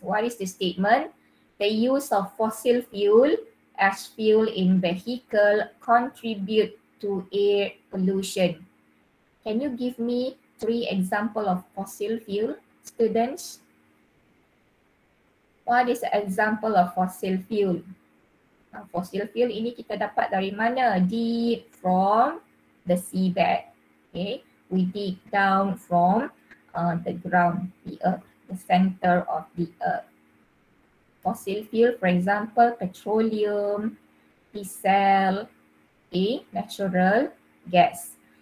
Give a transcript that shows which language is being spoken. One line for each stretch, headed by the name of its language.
English: What is the statement? The use of fossil fuel as fuel in vehicle contribute to air pollution. Can you give me three examples of fossil fuel, students? What is an example of fossil fuel?
Malay: Fossil fuel ini kita dapat dari mana?
English: Deep from the seabed. Okay. We dig down from the ground, the earth, the center of the earth. Fossil fuel, for example, petroleum, diesel, okay, natural gas.